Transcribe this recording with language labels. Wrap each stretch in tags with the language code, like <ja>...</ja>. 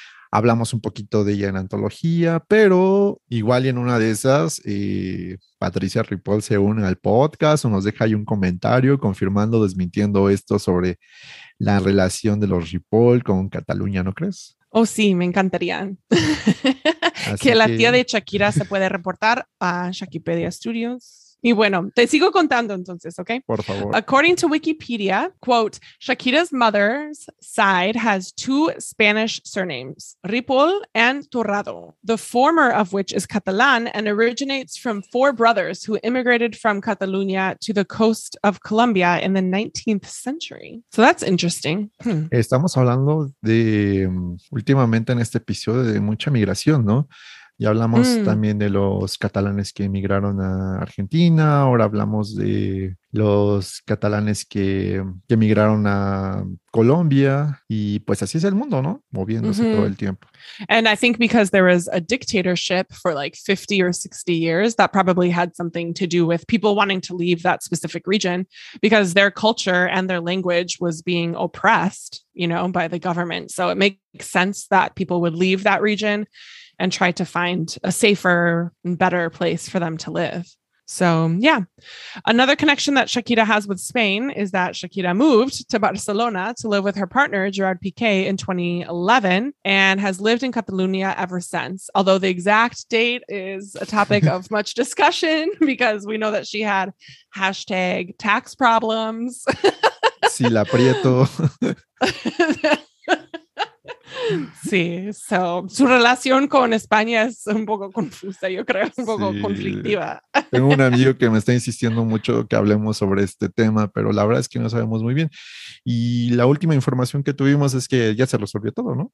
<es>Hablamos un poquito de ella en antología, pero igual y en una de esas, Patricia Ripoll se une al podcast o nos deja ahí un comentario confirmando, desmintiendo esto sobre la relación de los Ripoll con Cataluña, ¿no crees? Oh, sí, me encantaría. Que la tía de Shakira se puede reportar a Shakipedia Studios. Y bueno, te sigo contando entonces, ¿ok? Por favor.</es> <en>According to Wikipedia, quote, "Shakira's mother's side has two Spanish surnames, Ripoll and Torrado, the former of which is Catalan and originates from four brothers who immigrated from Catalonia to the coast of Colombia in the 19th century." So that's interesting.</en> <es>Estamos hablando de, últimamente en este episodio, de mucha migración, ¿no? Ya hablamos también de los catalanes que emigraron a Argentina, ahora hablamos de los catalanes que emigraron a Colombia, y pues así es el mundo, ¿no? Moviéndose todo el tiempo.</es> <en>And I think because there was a dictatorship for like 50 or 60 years, that probably had something to do with people wanting to leave that specific region because their culture and their language was being oppressed, you know, by the government. So it makes sense that people would leave that region and try to find a safer and better place for them to live. So, yeah. Another connection that Shakira has with Spain is that Shakira moved to Barcelona to live with her partner, Gerard Piqué, in 2011 and has lived in Catalonia ever since. Although the exact date is a topic of much discussion because we know that she had hashtag tax problems.</en> <es>Sí, la aprieto. Sí, so, su relación con España es un poco confusa, yo creo, un poco conflictiva. Tengo un amigo que me está insistiendo mucho que hablemos sobre este tema, pero la verdad es que no sabemos muy bien. Y la última información que tuvimos es que ya se resolvió todo, ¿no?</es>